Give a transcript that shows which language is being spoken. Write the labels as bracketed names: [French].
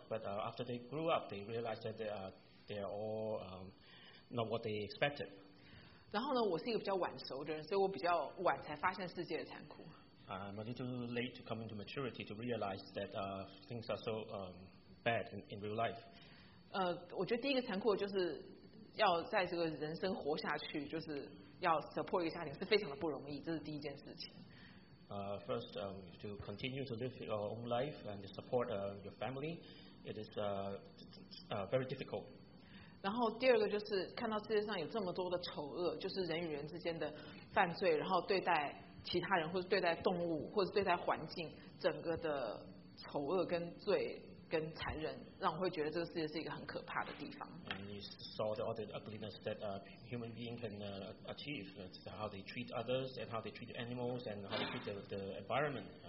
[English] But after they grew up, they realize that they are all not what they expected. [Chinese] 然后呢，我是一个比较晚熟的人，所以我比较晚才发现世界的残酷。 [English] I'm a little late to come into maturity to realize that things are so bad in real life. [Chinese] 我觉得第一个残酷就是要在这个人生活下去，就是要 support 一个家庭是非常的不容易，这是第一件事情。 [English] First, to continue to live your own life and support your family, it is very difficult. [Chinese] 然后第二个就是看到世界上有这么多的丑恶，就是人与人之间的犯罪，然后对待其他人或是对待动物或是对待环境，整个的丑恶跟罪跟残忍，让我会觉得这个世界是一个很可怕的地方。 [English] And you saw all the ugliness that human beings can achieve, how they treat others and how they treat animals and how they treat the environment.